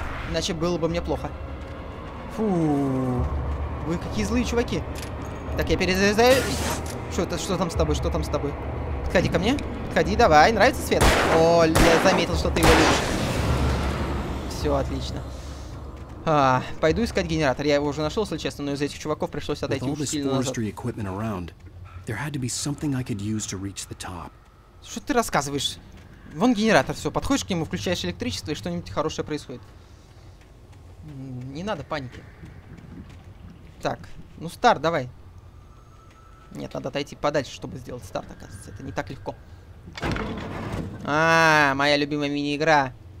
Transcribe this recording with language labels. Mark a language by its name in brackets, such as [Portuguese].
[Russian] Иначе было бы мне плохо. Вы какие злые чуваки. Так, я перезаряжаю. Что там с тобой? Подходи ко мне. Подходи, давай, нравится свет? О, я заметил, что ты его любишь. Все, отлично. А, пойду искать генератор. Я его уже нашел, если честно, но из этих чуваков пришлось отойти уже сильно назад. [English] Around, there had to be something I could use to reach the top. [Russian] Что ты рассказываешь? Вон генератор, все, подходишь к нему, включаешь электричество, и что-нибудь хорошее происходит. Не надо паники. Так, ну старт, давай. Нет, надо отойти подальше, чтобы сделать старт, оказывается. Это не так легко. Моя любимая мини-игра.